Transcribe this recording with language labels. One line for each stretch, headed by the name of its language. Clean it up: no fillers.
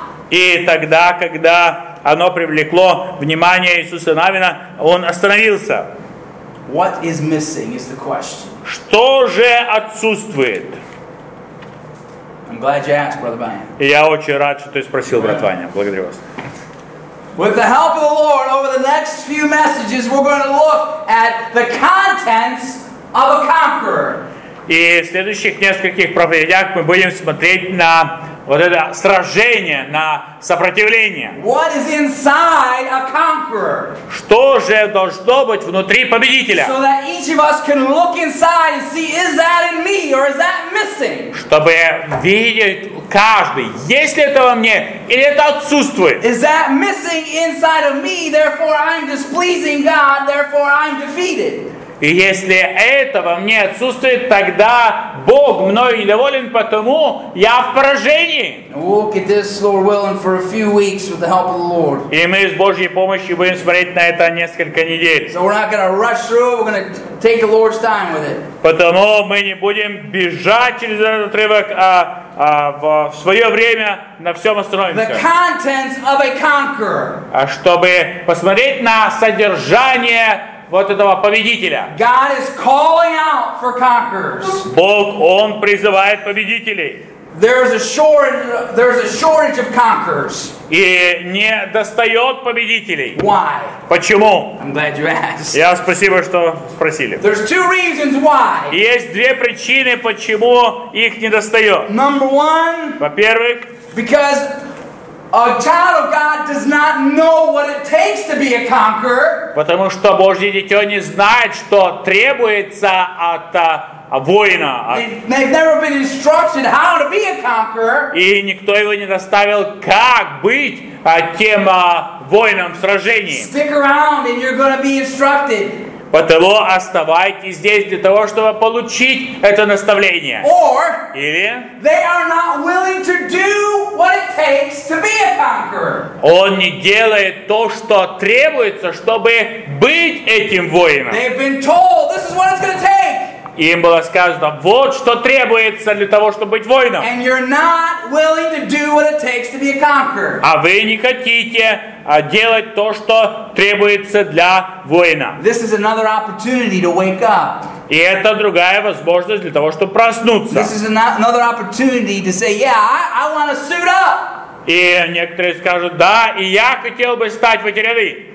Russian: И тогда, когда оно привлекло внимание Иисуса Навина, он остановился.
English: What is missing is the question.
Russian: Что же отсутствует?
English: I'm glad you asked, Brother Banyan.
Russian: И я очень рад, что ты спросил, брат Ваня. Благодарю вас.
English: With the help of the Lord, over the next few messages, we're going to look at the contents of a conqueror.
Russian: И в следующих нескольких проповедях мы будем смотреть на вот это сражение, на сопротивление.
English: What is inside a conqueror?
Russian: Что же должно быть внутри победителя?
English: So that each of us can look inside and see, is that in me or is that missing?
Russian: Чтобы видеть каждый, есть ли это во мне или это отсутствует?
English: Is that missing inside of me, therefore I'm displeasing God, therefore I'm defeated?
Russian: И если это во мне отсутствует, тогда Бог мною недоволен, потому я в поражении.
English: We'll look at this, Lord willing, for a few weeks with the help of the Lord.
Russian: И мы с Божьей помощью будем смотреть на это несколько недель.
English: So we're not going to rush through, we're going to take the Lord's time with it.
Russian: Потому мы не будем бежать через этот отрывок, а в свое время на всем остановимся.
English: The contents of a conqueror.
Russian: А чтобы посмотреть на содержание вот этого победителя.
English: God is calling out for conquerors.
Russian: Бог, он призывает победителей.
English: There's a shortage of conquerors.
Russian: И не достает победителей.
English: Why?
Russian: Почему?
English: I'm glad you asked.
Russian: Я спасибо, что спросили.
English: There's two reasons why.
Russian: Есть две причины, почему их не достает.
English: Number one.
Russian: Во-первых.
English: Because A child of God does not know what it takes to be a conqueror.
Russian: Потому что Божье дитя не знает, что требуется от воина.
English: They've never been instructed how to be a conqueror.
Russian: И никто его не доставил, как быть тем воином в сражении.
English: Stick around and you're going to be instructed.
Russian: Потому оставайтесь здесь для того, чтобы получить это наставление.
English: Or,
Russian: или
English: they are not willing to do what it takes to be a conqueror.
Russian: Он не делает то, что требуется, чтобы быть этим воином.
English: They've been told this is what it's going to take.
Russian: Им было сказано, вот что требуется для того, чтобы быть воином.
English: And you're not willing to do what it takes to be a conqueror.
Russian: А вы не хотите делать то, что требуется для воина.
English: This is another opportunity to wake up.
Russian: И это другая возможность для того, чтобы проснуться.
English: This is another opportunity to say, yeah, I want to suit up.
Russian: И некоторые скажут, да, и я хотел бы стать в эти ряды.